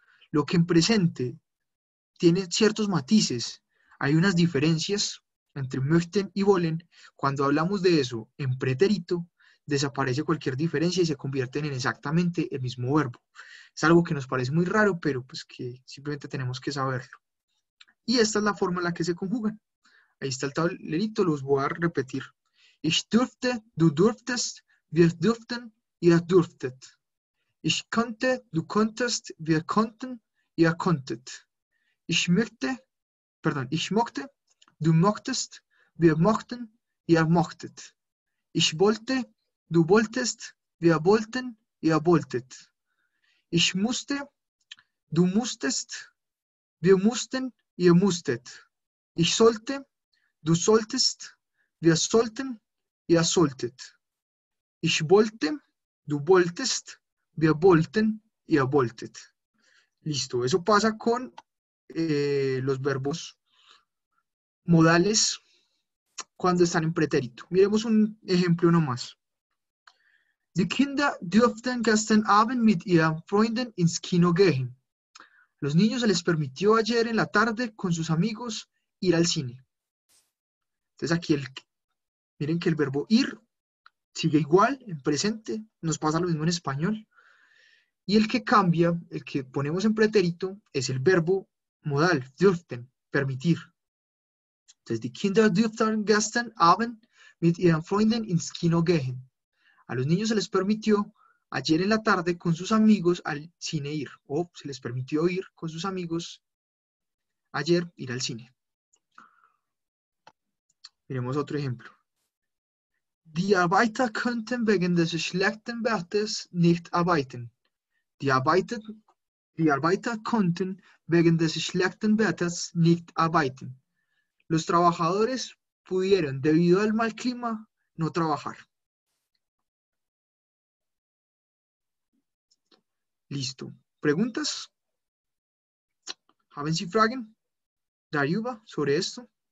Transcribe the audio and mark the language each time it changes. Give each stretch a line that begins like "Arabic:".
Spanish: Lo que en presente tiene ciertos matices, hay unas diferencias entre möchten y wollen, cuando hablamos de eso en pretérito, desaparece cualquier diferencia y se convierten en exactamente el mismo verbo. Es algo que nos parece muy raro, pero pues que simplemente tenemos que saberlo. Y esta es la forma en la que se conjugan. Ahí está el tablerito, los voy a repetir.
German: Ich durfte, du durftest, wir durften, ihr durftet. Ich konnte, du konntest, wir konnten, ihr konntet. Ich möchte, perdón, ich mochte, du mochtest, wir mochten, ihr mochtet. Ich wollte, du wolltest, wir wollten, ihr wolltet. Ich musste, du musstest, wir mussten, ihr musstet. Ich sollte, du solltest, wir sollten, ihr solltet. Ich wollte, du wolltest, wir wollten, ihr wolltet.
Spanish: Listo, eso pasa con los verbos modales cuando están en pretérito. Miremos un ejemplo nomás.
German: Die Kinder durften gestern Abend mit ihren Freunden ins Kino gehen.
Spanish: Los niños se les permitió ayer en la tarde con sus amigos ir al cine. Entonces aquí miren que el verbo ir sigue igual en presente, nos pasa lo mismo en español. Y el que cambia, el que ponemos en pretérito, es el verbo modal, dürften, permitir.
German: Entonces, die Kinder durften gestern Abend mit ihren Freunden ins Kino gehen.
Spanish: A los niños se les permitió ayer en la tarde con sus amigos al cine ir. O se les permitió ir con sus amigos ayer ir al cine. Miremos otro ejemplo.
German: Die Arbeiter könnten wegen des schlechten Wetters nicht arbeiten. Die Arbeiter konnten wegen des schlechten Wetters nicht arbeiten.
Spanish: Los trabajadores pudieron, debido al mal clima, no trabajar. Listo. ¿Preguntas? ¿Haben Sie Fragen? ¿Daruba sobre esto?